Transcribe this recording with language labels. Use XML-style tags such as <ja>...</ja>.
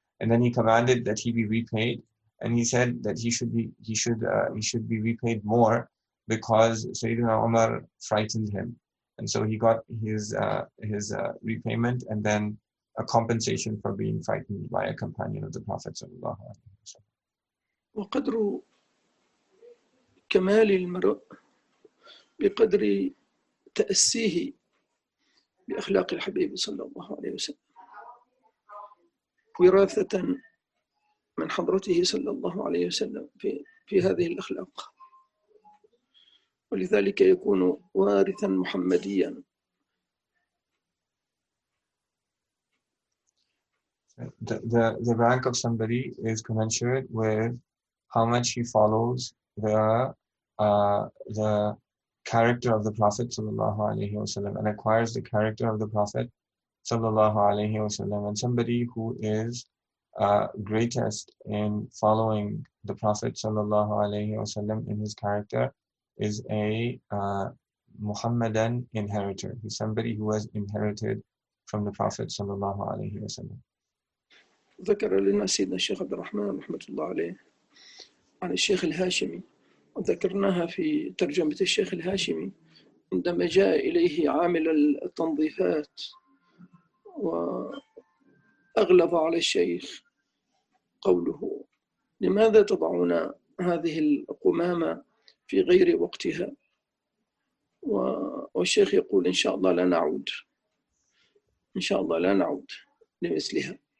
<en>And then he commanded that he be repaid, and he said that he should be repaid more, because Sayyidina Umar frightened him, and so he got his repayment and then a compensation for being frightened by a companion of the Prophet sallallahu alaihi wasallam.</en> <ar>وقدر كمال المرء بقدر تأسيه بأخلاق الحبيب صلى الله عليه وسلم وراثة من حضرته صلى الله عليه وسلم في هذه الأخلاق. ولذلك يكون وارثا محمديا.</ar> <en>The rank of somebody is commensurate with how much he follows the character of the Prophet sallallahu alaihi wasallam and acquires the character of the Prophet sallallahu alaihi wasallam. And somebody who is greatest in following the Prophet sallallahu alaihi wasallam in his character is a Muhammadan inheritor. He's somebody who has inherited from the Prophet sallallahu alaihi wasallam.</en> <ar>ذكر لنا سيدنا الشيخ عبد الرحمن رحمة الله عليه عن الشيخ الهاشمي، وذكرناها في ترجمة الشيخ الهاشمي عندما جاء إليه عامل التنظيفات وأغلظ على الشيخ قوله: لماذا تضعون هذه القمامة في غير وقتها؟ والشيخ يقول: إن شاء الله لا نعود، إن شاء الله لا نعود لمثلها.</ar>